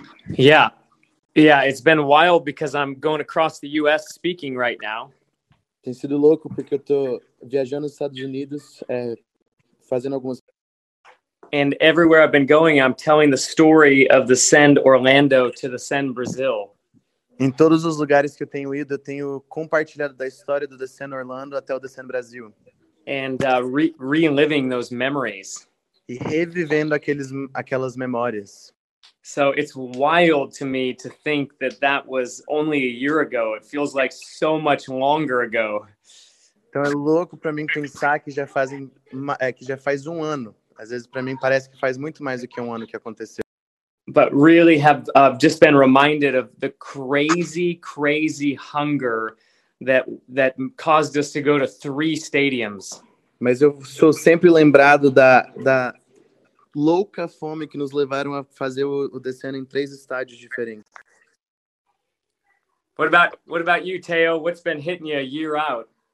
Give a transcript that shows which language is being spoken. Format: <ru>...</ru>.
<en>Yeah, it's been wild because I'm going across the U.S. speaking right now.</en> <pt>Tem sido louco porque eu tô viajando nos Estados Unidos, fazendo algumas...</pt> <en>And everywhere I've been going, I'm telling the story of the Send Orlando to the Send Brazil.</en> <pt>Em todos os lugares que eu tenho ido, eu tenho compartilhado da história do The Send Orlando até o The Send Brasil.</pt> <en>And reliving those memories.</en> <pt>E revivendo aquelas memórias.</pt> <en>So it's wild to me to think that that was only a year ago. It feels like so much longer ago.</en> <pt>Então é louco para mim pensar que já faz um ano. Às vezes para mim parece que faz muito mais do que um ano que aconteceu.</pt> <en>But really have just been reminded of the crazy hunger that caused us to go to 3 stadiums.</en> <pt>Mas eu sou sempre lembrado da louca fome que nos levaram a fazer o descendo em 3 estádios diferentes.</pt> <en>What about you, Theo? What's been hitting you a year out?</en>